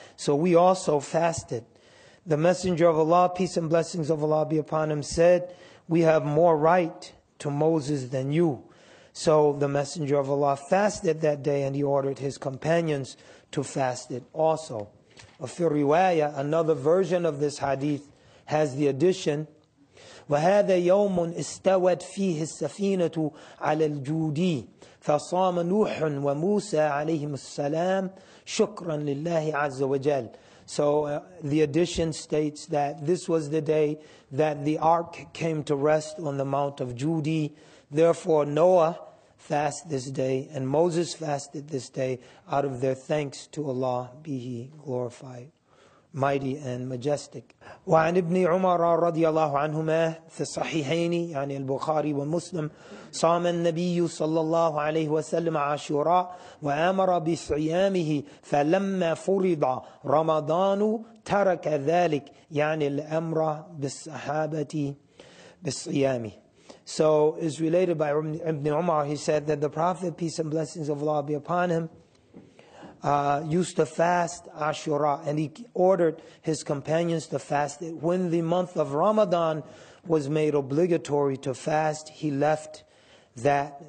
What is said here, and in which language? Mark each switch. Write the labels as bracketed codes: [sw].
[en] So we also fasted. The Messenger of Allah, peace and blessings of Allah be upon him, said, we have more right to Moses than you. So the Messenger of Allah fasted that day, and he ordered his companions to fast it also. [ar] Fi riwaya, [en] another version of this hadith has the addition, [ar] وَهَذَا يَوْمٌ إِسْتَوَتْ فِيهِ السَّفِينَةُ عَلَى الْجُودِي فَصَامَ نُوحٌ وَمُوسَى عَلَيْهِمُ السَّلَامُ شُكْرًا لِلَّهِ عَزَّ وَجَلَّ. [en] So the addition states that this was the day that the ark came to rest on the Mount of Judi. Therefore, Noah fasted this day and Moses fasted this day out of their thanks to Allah, be He glorified, mighty and majestic. [ar] وعن ابن عمر رضي الله عنهما في الصحيحين يعني البخاري ومسلم صام النبي صلى الله عليه وسلم عاشوراء وأمر بصيامه فلما فرض رمضان ترك ذلك يعني الأمر بالصحابة بصيامه. [en] So it's related by Ibn Umar, he said that the Prophet, peace and blessings of Allah be upon him, used to fast Ashura, and he ordered his companions to fast it. When the month of Ramadan was made obligatory to fast, he left that.